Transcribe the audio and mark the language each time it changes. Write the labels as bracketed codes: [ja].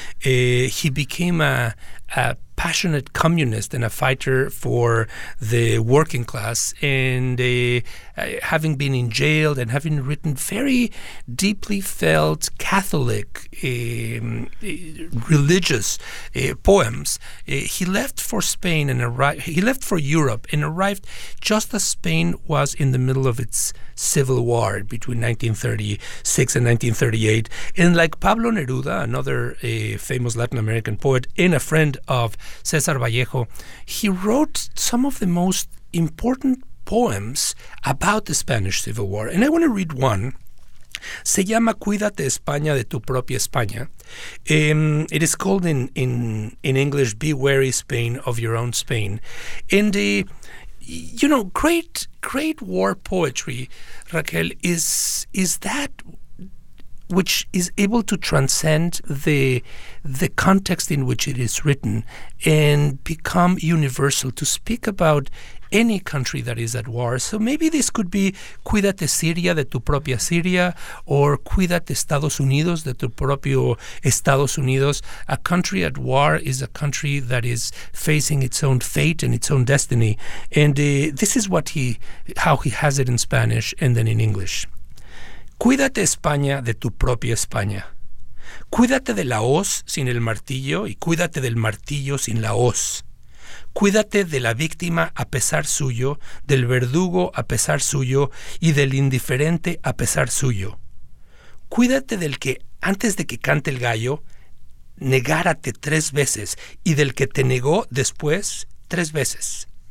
[en] He became a passionate communist and a fighter for the working class, and having been in jail and having written very deeply felt Catholic religious poems, he left for Spain and arrived. He left for Europe and arrived just as Spain was in the middle of its civil war between 1936 and 1938. And like Pablo Neruda, another famous Latin American poet and a friend of Cesar Vallejo, he wrote some of the most important poems about the Spanish Civil War. And I want to read one. [es] Se llama Cuídate España de tu propia España. [en] It is called in English, Be Wary Spain of Your Own Spain. And, you know, great war poetry, Raquel, is that which is able to transcend the context in which it is written and become universal, to speak about any country that is at war. So maybe this could be [es] Cuídate Siria de tu propia Siria, [en] or [es] Cuídate Estados Unidos de tu propio Estados Unidos. [en] A country at war is a country that is facing its own fate and its own destiny. And this is how he has it in Spanish and then in English. [es] Cuídate España de tu propia España. Cuídate de la hoz sin el martillo y cuídate del martillo sin la hoz. Cuídate de la víctima a pesar suyo, del verdugo a pesar suyo y del indiferente a pesar suyo. Cuídate del que, antes de que cante el gallo, negárate 3 veces y del que te negó después 3 veces.